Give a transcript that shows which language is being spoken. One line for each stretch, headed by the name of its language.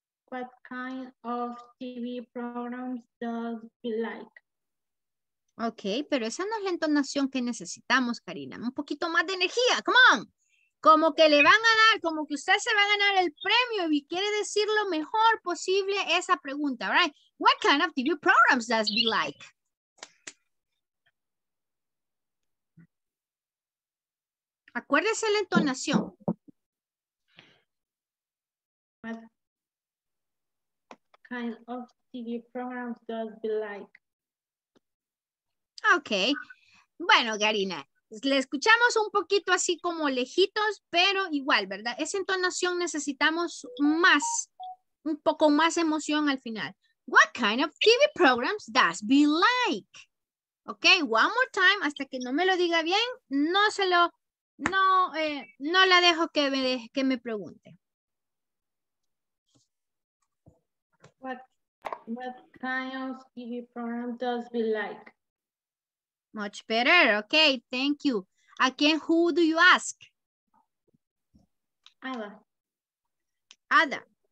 English: What kind of TV programs does he like?
Spanish: Ok, pero esa no es la entonación que necesitamos, Karina. Un poquito más de energía,
English: come on.
Spanish: Como que le van a dar, como que usted se va a ganar el premio y quiere decir lo mejor posible esa pregunta, right?
English: What kind of TV programs does he like?
Spanish: Acuérdese la entonación.
English: What kind of TV programs does he like? Okay.
Spanish: Bueno, Karina, le escuchamos un poquito así como lejitos, pero igual, ¿verdad? Esa entonación necesitamos más, un poco más emoción al final.
English: What kind of TV programs does he like? Okay, one more time,
Spanish: hasta que no me lo diga bien, no se lo... No, no la dejo que me deje, que me pregunte.
English: What kind of TV program does he like? Much better. Okay, thank you. Again, who do you ask? Ada. Ada.